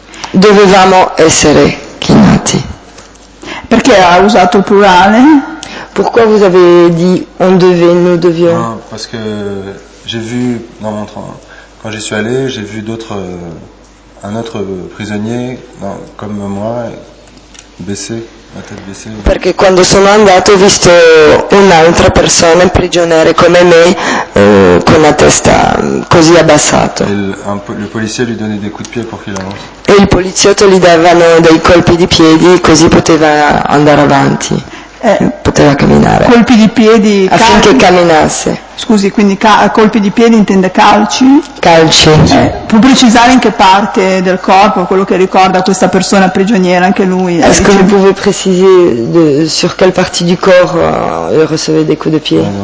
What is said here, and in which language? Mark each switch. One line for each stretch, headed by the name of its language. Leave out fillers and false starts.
Italian: Dovevamo essere chinati. Perché ha usato il plurale?
French: Pourquoi vous avez dit on devait, nous devions? Non, parce que j'ai vu dans mon train, quand j'y suis allé, j'ai vu d'autres, un autre prisonnier comme moi, baisser, la tête baissée.
Italian: Perché quando sono andato ho visto un'altra persona prigioniera come me, con la testa così abbassata.
French: Le policier lui donnait des coups de pied pour qu'il avance.
Italian: E il poliziotto gli davano dei colpi di piedi così poteva andare avanti. Poteva camminare. Colpi di piedi affinché camminasse. Scusi, quindi colpi di piedi intende calci? Calci. Può precisare in che parte del corpo quello che ricorda questa persona prigioniera anche lui?
French: Est-ce que vous pouvez préciser sur quelle partie du corps il recevait des coups de pied?